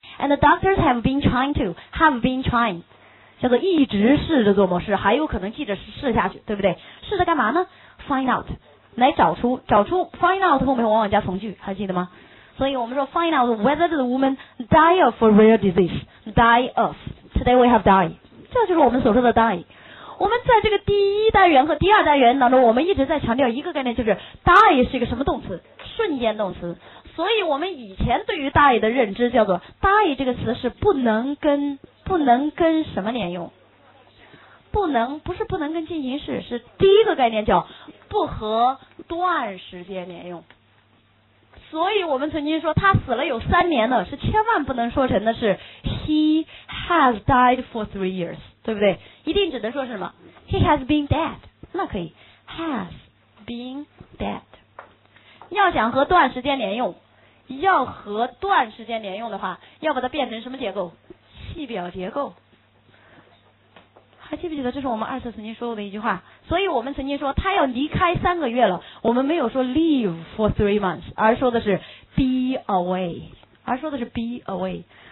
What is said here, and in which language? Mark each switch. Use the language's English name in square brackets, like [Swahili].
[English] And the doctors have been trying to, have been trying. [Chinese] 叫做一直试着做某事，还有可能记着试下去，对不对？试着干嘛呢？ Find out， 来找出，找出 find out 后面往往加从句，还记得吗？所以我们说 [English] find out whether the woman die of a rare disease， die of， today we have die， [Chinese] 这就是我们所说的 die。我们在这个第一单元和第二单元当中，我们一直在强调一个概念，就是 die 是一个什么动词？瞬间动词。所以我们以前对于 die 的认知叫做 die 这个词是不能跟什么连用，不能跟进行式，是第一个概念叫不和段时间连用。所以我们曾经说他死了有三年了，是千万不能说成的是 [English] he has died for 3 years， [Chinese] 对不对？一定只能说是什么 [English] he has been dead， [Chinese] 那可以 has been dead。要想和段时间连用，要和段时间连用的话，要把它变成什么结构？系表结构。还记不记得这是我们二次曾经说过的一句话？所以我们曾经说他要离开三个月了，我们没有说 [English] leave for 3 months， [Chinese] 而说的是 be away， 而说的是 be away。